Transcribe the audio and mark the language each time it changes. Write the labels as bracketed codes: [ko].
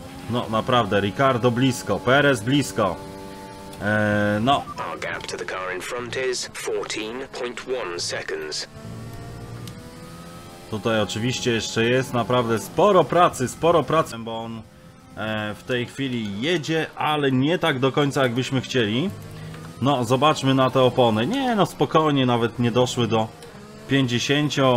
[pl] No naprawdę, Ricardo blisko, Perez blisko. No. [en] Our gap to the car in front is 14.1 seconds. [pl] Tutaj oczywiście jeszcze jest naprawdę sporo pracy, bo on w tej chwili jedzie, ale nie tak do końca jakbyśmy chcieli. No, zobaczmy na te opony. Nie, no spokojnie, nawet nie doszły do 50.